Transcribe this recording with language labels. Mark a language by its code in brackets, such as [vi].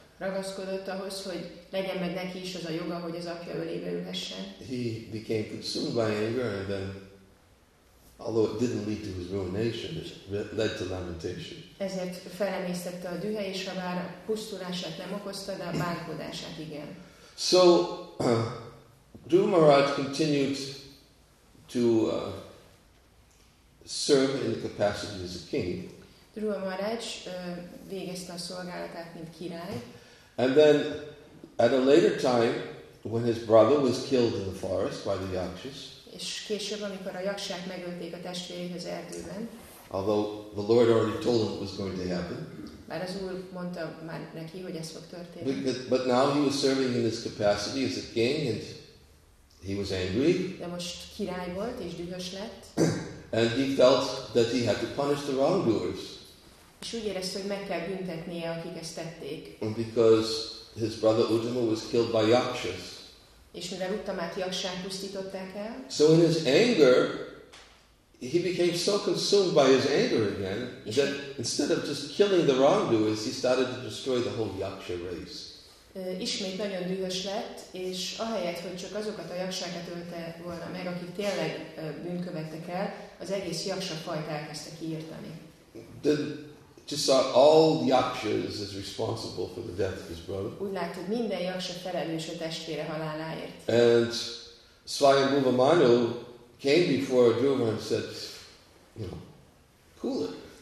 [hu] ragaszkodott ahhoz, hogy legyen meg neki is az a joga, hogy az apja ölébe ülhessen. [en] He became consumed by anger, and then, although it didn't lead to his ruination, it led to lamentation. [hu] Ezért felemésztette a dühe, és habár a pusztulását nem okozta, de a bánkodását igen. [en] So, Dhruva Maharaj continued to serve in the capacity as a king. [hu] Dhruva Maharaj végezte a szolgálatát, mint király. [en] And then, at a later time, when his brother was killed in the forest by the Yakshas, [hu] és később, amikor a Yakshák megölték a testvérét az erdőben, [en] although the Lord already told him it was going to happen, [hu] már az Úr mondta már neki, hogy ez fog történni. [en] But now he was serving in his capacity as a king, and he was angry. [hu] De most király volt, és dühös lett. [en] And he felt that he had to punish the wrongdoers. [hu] És úgy érezte, hogy meg kell büntetnie, akik ezt tették. [en] And because his brother Uttama was killed by Yakshas. [hu] És mivel Uttamát Yakshák pusztították el. [en] So in his anger, he became so consumed by his anger again that instead of just killing the wrongdoers, he started to destroy the whole Yaksha race. [hu] Ismét nagyon dühös lett, és ahelyett, hogy csak azokat a Yakshákat ölte volna meg, akik tényleg bűnkövettek el, az egész Yaksha fajt elkezdte kiirtani. [en] Just saw all Yakshas as responsible for the death of his brother. [hu] Úgy látod, minden Yaksha felelős a testvére haláláért. [en] And Svayambhuva Manu came before Dhruva and said, you know, cool it.